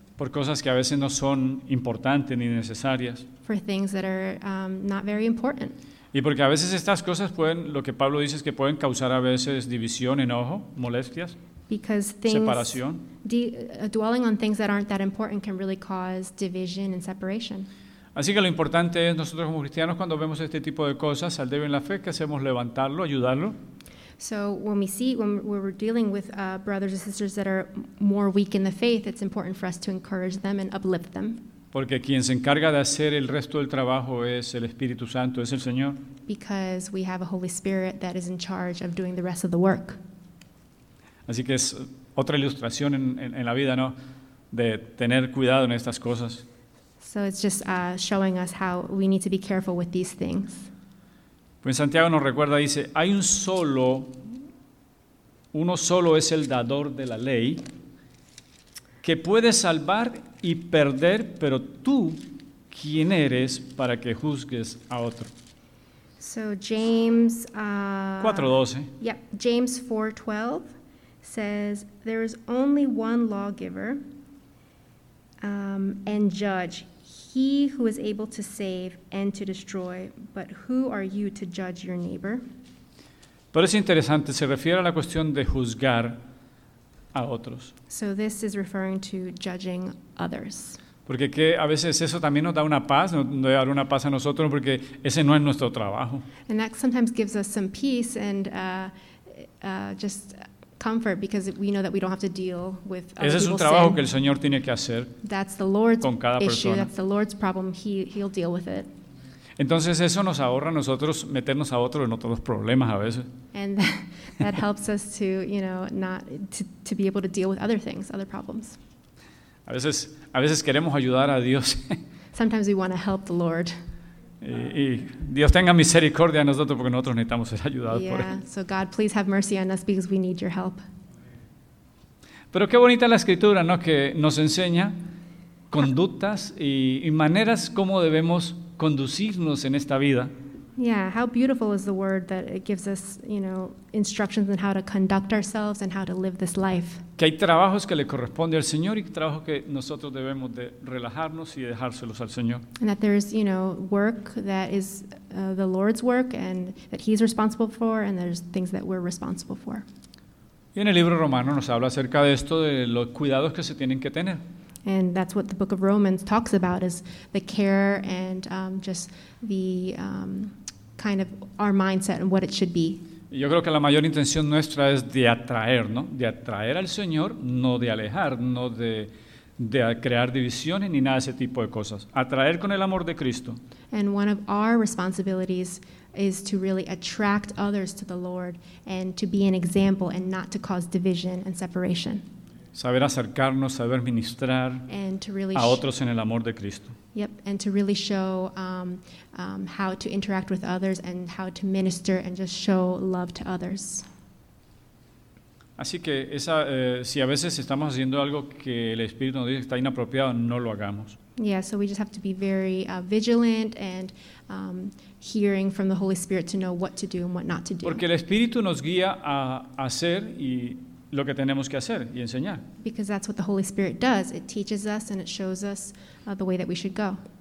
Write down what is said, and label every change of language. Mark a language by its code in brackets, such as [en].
[es] Por cosas que a veces no son importantes ni necesarias. [en] For things that are not very important. [es] Y porque a veces estas cosas pueden, lo que Pablo dice es que pueden causar a veces división, enojo, molestias, separación. [en] Dwelling on things that aren't that important can really cause division and separation. [es] Así que lo importante es nosotros como cristianos cuando vemos este tipo de cosas, al débil en la fe, que hacemos levantarlo, ayudarlo. [en] So when we're dealing with brothers and sisters that are more weak in the faith, it's important for us to encourage them and uplift them. [es] Porque quien se encarga de hacer el resto del trabajo es el Espíritu Santo, es el Señor. [en] Because we have a Holy Spirit that is in charge of doing the rest of the work. [es] Así que es otra ilustración en la vida, ¿no? De tener cuidado en estas cosas. [en] So it's just showing us how we need to be careful with these things. [es] Pues Santiago nos recuerda, dice, hay uno solo es el dador de la ley que puede salvar y perder, pero tú, ¿quién eres para que juzgues a otro? [en] So James 4:12. Yep, James 4:12 says, there is only one lawgiver and judge, he who is able to save and to destroy, but who are you to judge your neighbor? [es] Pero es interesante, se refiere a la cuestión de juzgar a otros. [en] So this is referring to judging others. [es] Porque que a veces eso también nos da una paz, nos da una paz a nosotros porque ese no es nuestro trabajo. [en] And that sometimes gives us some peace and just comfort because we know that we don't have to deal with [es] ese es un trabajo que el Señor tiene que hacer. [en] That's the Lord's [es] con cada [en] issue, [es] persona. [en] That's the Lord's problem, he'll deal with it. [es] Entonces eso nos ahorra a nosotros meternos a otros en otros problemas a veces. [en] And that helps us to, you know, not to be able to deal with other things, other problems. [es] A veces queremos ayudar a Dios. [en] Sometimes we want to help the Lord. [es] Y Dios tenga misericordia a nosotros porque nosotros necesitamos ser ayudados [en] yeah, [es] por él. [en] So God, please have mercy on us because we need your help. [es] Pero qué bonita la escritura, ¿no? Que nos enseña conductas y maneras como debemos conducirnos en esta vida. [en] Yeah, how beautiful is the word that it gives us, you know, instructions on how to conduct ourselves and how to live this life. [es] Que hay trabajos que le corresponde al Señor y trabajos que nosotros debemos de relajarnos y dejárselos al Señor. [en] And that there's, you know, work that is the Lord's work and that he's responsible for and there's things that we're responsible for. [es] Y en el libro romano nos habla acerca de esto, de los cuidados que se tienen que tener. [en] And that's what the book of Romans talks about is the care and just the kind of our mindset and what it should be. [es] Yo creo que la mayor intención nuestra es de atraer, ¿no? De atraer al Señor, no de alejar, no de crear divisiones ni nada de ese tipo de cosas. Atraer con el amor de Cristo. [en] And one of our responsibilities is to really attract others to the Lord and to be an example and not to cause division and separation. [es] Saber acercarnos, saber ministrar [en] really [es] a otros en el amor de Cristo. [en] Yep, and to really show how to interact with others and how to minister and just show love to others. [es] Así que esa, si a veces estamos haciendo algo que el Espíritu nos dice que está inapropiado, no lo hagamos. [en] Yeah, so we just have to be very vigilant and hearing from the Holy Spirit to know what to do and what not to do. [es] Porque el Espíritu nos guía a hacer y lo que tenemos que hacer y enseñar. [en] Because that's what the Holy Spirit does. It teaches us and it shows us the way that we should go.